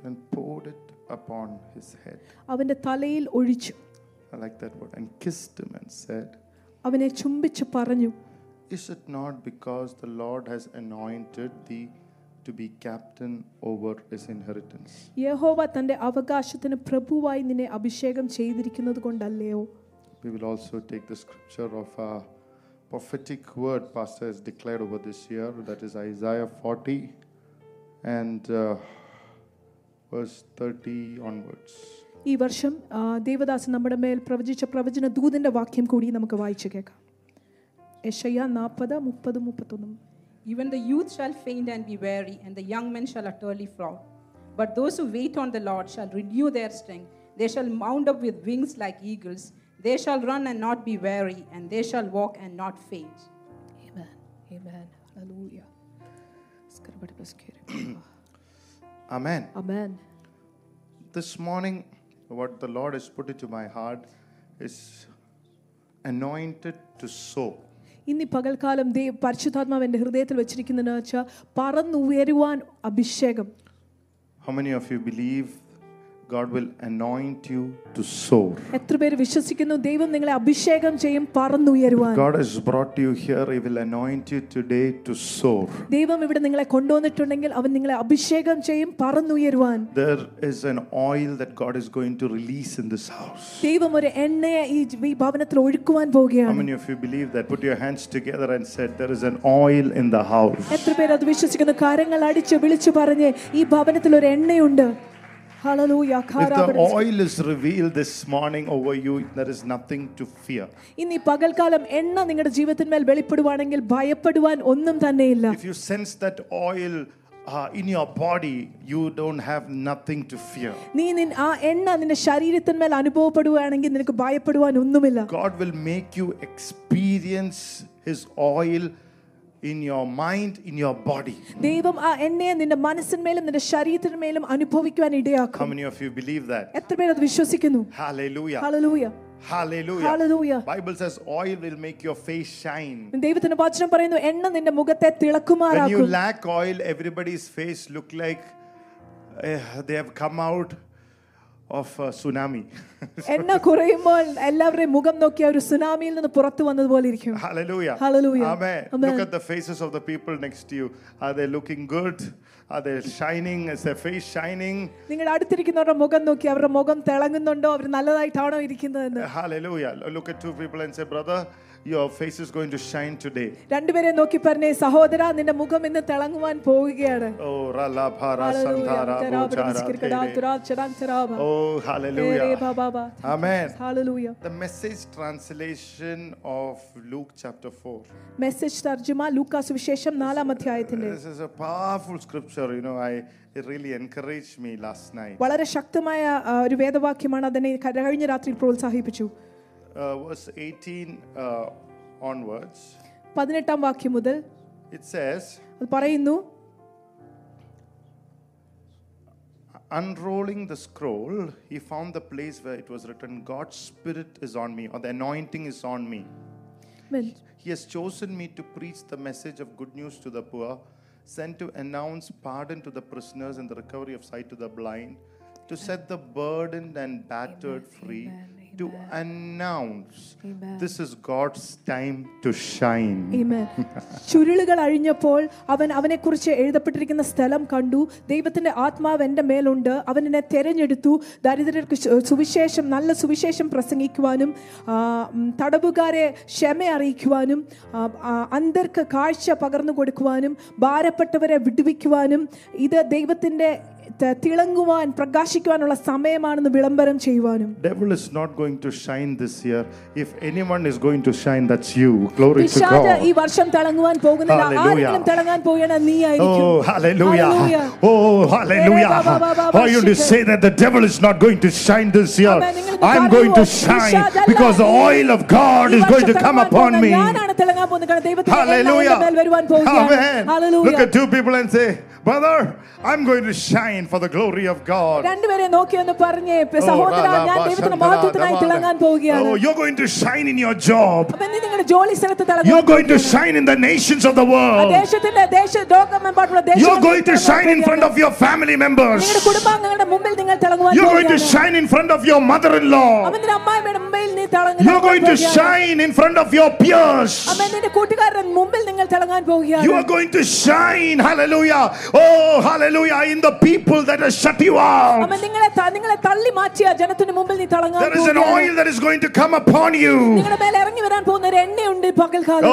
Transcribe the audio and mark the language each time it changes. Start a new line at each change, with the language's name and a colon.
English: And poured it upon his head.
Malayalam: അവന്റെ തലയിൽ ഒഴിച്ചു.
English: I like that word. And kissed him and said,
Malayalam: അവനെ ചുംബിച്ചു പറഞ്ഞു,
English: is it not because the Lord has anointed thee to be captain over his inheritance?
Malayalam: യഹോവ തന്റെ അവകാശത്തിനു പ്രഭുവായി നിന്നെ അഭിഷേകം ചെയ്തിരിക്കുന്നതുകൊണ്ടല്ലയോ?
English: We will also take the scripture of a prophetic word pastor has declared over this year, that is Isaiah 40 and verse 30 onwards.
Malayalam: ഈ വർഷം ദൈവദാസൻ നമ്മുടെ മേൽ പ്രവചിച്ച പ്രവചന ദൂതന്റെ വാക്യം കൂടി നമുക്ക് വായിച്ചു കേൾക്കാം. Isaiah 40:30-31.
English: Even the youth shall faint and be weary, and the young men shall utterly fall. But those who wait on the Lord shall renew their strength. They shall mount up with wings like eagles. They shall run and not be weary, and they shall walk and not faint. Amen. Amen. Hallelujah. Skarabadi paskere. Amen. Amen. This morning, what the Lord has put into my heart is anointed to sow.
Malayalam: ഇനി പകൽക്കാലം ദൈവം പരിശുദ്ധാത്മാവ് എന്റെ ഹൃദയത്തിൽ വെച്ചിരിക്കുന്നത് എന്ന് വെച്ചാൽ പറന്നുയരുവാൻ അഭിഷേകം.
English: How many of you believe God will anoint you to soar?
Malayalam: എത്ര പേര് വിശ്വസിക്കുന്നു ദൈവം നിങ്ങളെ അഭിഷേകം ചെയ്യും പറന്നുയരുവാൻ?
English: God has brought you here, he will anoint you today to soar.
Malayalam: ദൈവം ഇവിടെ നിങ്ങളെ കൊണ്ടുവന്നിട്ടുണ്ടെങ്കിൽ അവൻ നിങ്ങളെ അഭിഷേകം ചെയ്യും പറന്നുയരുവാൻ.
English: There is an oil that God is going to release in this house.
Malayalam: ദൈവം ഒരു എണ്ണയെ ഈ ഭവനത്തിൽ ഒഴിക്കുവാൻ പോവുകയാണ്.
English: How many of you believe that? Put your hands together and said, there is an oil in the house.
Malayalam: എത്ര പേര് അത് വിശ്വസിക്കുന്നു? കരങ്ങൾ അടിച്ചു വിളിച്ചു പറഞ്ഞു, ഈ ഭവനത്തിൽ ഒരു എണ്ണയുണ്ട്.
English: Hallelujah. If the oil is revealed this morning over you, there is nothing to fear.
Malayalam: ഇനി പകൽക്കാലം എണ്ണ നിങ്ങളുടെ ജീവിതത്തിന്മേൽ വെളിപ്പെടുവാണെങ്കിൽ ഭയപ്പെടുവാൻ ഒന്നും തന്നെ ഇല്ല.
English: If you sense that oil in your body, you don't have nothing to fear.
Malayalam: നീ ആ എണ്ണ നിന്റെ ശരീരത്തിന്മേൽ അനുഭവപ്പെടുവാണെങ്കിൽ നിനക്ക് ഭയപ്പെടുവാൻ ഒന്നുമില്ല.
English: God will make you experience his oil in your mind, in your body.
Malayalam: ദൈവം ആ എണ്ണയെ നിന്റെ മനസ്സിന്മേലും നിന്റെ ശരീരത്തിന്മേലും അനുഭവിക്കാൻ ഇടയാക്കും.
English: How many of you believe that?
Malayalam: എത്ര പേർ അത് വിശ്വസിക്കുന്നു?
English: Hallelujah. Hallelujah. Hallelujah. Hallelujah. Bible says oil will make your face shine.
Malayalam: ദൈവത്തിന്റെ വചനം പറയുന്നു എണ്ണ നിന്റെ മുഖത്തെ തിളക്കുമാറാക്കും.
English: When you lack oil, everybody's face look like they have come out of a tsunami.
Malayalam: എന്നാ കുറയുമ്പോൾ എല്ലാവരുടെ മുഖം നോക്കിയാൽ ഒരു സുനാമിയിൽ നിന്ന് പുറത്തു വന്നതുപോലെ ഇരിക്കും.
English: Hallelujah. Hallelujah. Amen. Look at the faces of the people next to you. Are they looking good? Are they shining? Is their face shining?
Malayalam: നിങ്ങൾ അടുത്തിരിക്കുന്നവരുടെ മുഖം നോക്കി അവരുടെ മുഖം തിളങ്ങുന്നുണ്ടോ, അവർ നല്ലതായിട്ടാണോ ഇരിക്കുന്നതെന്ന്.
English: Hallelujah. Look at two people and say, brother, your face is going to shine today.
Malayalam: രണ്ടു പേരെ നോക്കി പറഞ്ഞു, സഹോദരാ നിന്റെ മുഖം ഇന്ന് തിളങ്ങുവാൻ പോവുകയാണ്. ഓ റല്ല ഭാരാ സന്ധാരാ ബോചാരാ തുരാ ചരാ ചരാ. ഓ hallelujah. Hey Baba. Amen. Hallelujah.
English: The message translation of Luke chapter 4.
Malayalam: Message തർജ്ജമ ലൂക്കാ സുവിശേഷം 4 അധ്യായത്തിന്റെ.
English: This is a powerful scripture, you know, it really encouraged me last night.
Malayalam: വളരെ ശക്തമായ ഒരു വേദവാക്യമാണ്, അതിനെ കഴിഞ്ഞ രാത്രി പ്രോത്സാഹിപ്പിച്ചു.
English: Verse 18 onwards.
Malayalam: 18th vakyam mudal.
English: It says.
Malayalam: Adu parayunu.
English: Unrolling the scroll, he found the place where it was written, God's spirit is on me, or the anointing is on me. Amen. He has chosen me to preach the message of good news to the poor, sent to announce pardon to the prisoners and the recovery of sight to the blind, to set the burdened and battered free. Amen. to announce this is God's time to shine. Amen.
Malayalam: ചുരുളുകൾ അഴിഞ്ഞപ്പോൾ അവൻ അവനെ കുറിച്ച് എഴുതപ്പെട്ടിരിക്കുന്ന സ്ഥലം കണ്ടു. ദൈവത്തിന്റെ ആത്മാവ് എന്റെ മേലുണ്ട്. അവൻ എന്നെ തെരഞ്ഞെടുത്തു ദരിദ്രർക്ക് സുവിശേഷം, നല്ല സുവിശേഷം പ്രസംഗിക്കുവാനും തടവുകാരെ ക്ഷമ അറിയിക്കുവാനും അന്ധർക്ക് കാഴ്ച പകർന്നു കൊടുക്കുവാനും ഭാരപ്പെട്ടവരെ വിടുവിക്കുവാനും ഇത് ദൈവത്തിന്റെ തിളങ്ങുവാൻ പ്രകാശിക്കുവാനുള്ള സമയമാണെന്ന് വിളംബരം ചെയ്യുവാനും.
English: Devil is not going to shine this year. If anyone is going to shine, that's you. Glory to God.
Malayalam: ഈ വർഷം തിളങ്ങുവാൻ പോകുന്നില്ല, ആരെങ്കിലും തിളങ്ങാൻ പോയാൽ നീ ആയിരിക്കും.
English: Oh hallelujah, oh hallelujah. How you to say that the devil is not going to shine this year? I'm going to shine because the oil of God is going to come upon me. Hallelujah. Amen. Hallelujah. Look at two people and say, brother, I'm going to shine for the glory of God.
Malayalam: രണ്ടു പേരെ നോക്കി ഒന്ന് പറഞ്ഞേ, സഹോദരാ, ഞാൻ ദൈവത്തിന്റെ മഹത്വത്തിനായി തിളങ്ങാൻ പോവുകയാണ്.
English: Oh, you're going to shine in your job.
Malayalam: അപ്പോൾ നിങ്ങളുടെ ജോലി സ്ഥലത്ത് തിളങ്ങാൻ.
English: You're going to shine in the nations of the world.
Malayalam: ദേശത്തിന്റെ ദേശ ലോകമെമ്പാടുള്ള ദേശം.
English: You're going to shine in front of your family members.
Malayalam: നിങ്ങളുടെ കുടുംബാംഗങ്ങളുടെ മുമ്പിൽ നിങ്ങൾ തിളങ്ങാൻ പോവുകയാണ്.
English: You're going to shine in front of your mother-in-law.
Malayalam: അവന്റെ അമ്മയുടെ മുമ്പിൽ നീ തിളങ്ങാൻ.
English: You're going to shine in front of your peers.
Malayalam: അവന്റെ കൂട്ടുകാരുടെ മുമ്പിൽ നിങ്ങൾ തിളങ്ങാൻ പോവുകയാണ്.
English: You're going to shine. Hallelujah. Oh hallelujah, in the people that has shut you out.
Malayalam: അമ്മ നിങ്ങളെ നിങ്ങളെ തള്ളി മാറ്റിയ ജനത്തിന്റെ മുമ്പിൽ നീ തിളങ്ങാൻ പോവുകയാ.
English: There is an oil that is going to come upon you.
Malayalam: നിങ്ങളുടെ മേൽ ഇറങ്ങി വരാൻ പോകുന്ന ഒരു എണ്ണ ഉണ്ട് പകൽകാലം.